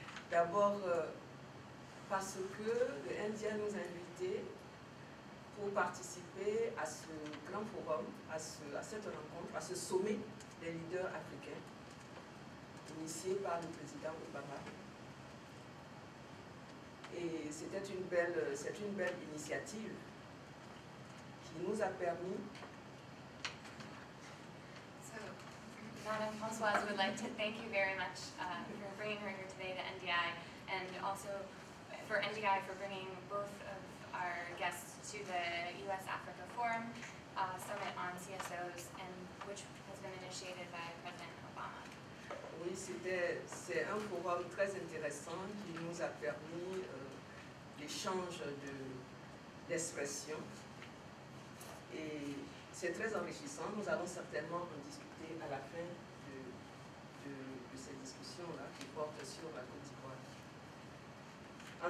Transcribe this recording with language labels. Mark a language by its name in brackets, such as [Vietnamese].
[French] D'abord, parce que le NDI nous a invités pour participer à ce grand forum, à cette rencontre, à ce sommet des leaders africains, initié par le président Obama. Et c'était une belle initiative qui nous a permis. [English] Madame Françoise would like to thank you very much for bringing her here today to NDI, and also for NDI for bringing both of our guests to the U.S.-Africa Forum Summit on CSOs, and which has been initiated by President Obama. [French] Oui, c'est un forum très intéressant qui nous a permis l'échange d'expressions. Et c'est très enrichissant. Nous allons certainement en discuter à la fin de cette discussion-là qui porte sur la Côte d'Ivoire.